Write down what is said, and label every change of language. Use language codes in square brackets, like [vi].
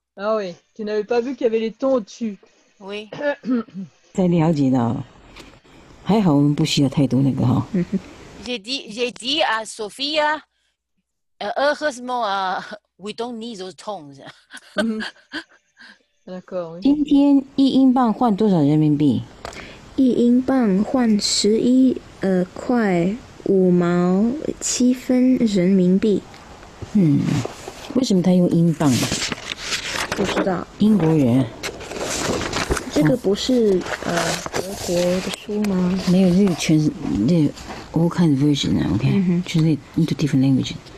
[fr] Ah oui, tu n'avais pas vu qu'il y avait les tons au-dessus. Oui. [zh] 才了解到，还好我们不需要太多那个哈。 [fr] J'ai dit à Sophia, heureusement, [en] we don't need those tones. [fr] D'accord. [zh] 今天一英镑换多少人民币？一英镑换11块。 5毛7分人民币。嗯，为什么他用英镑？不知道。英国人。这个不是德国的书吗？没有，这个全是这 [en] all kinds of version [zh] 啊 ，OK， 就是 [en] different language。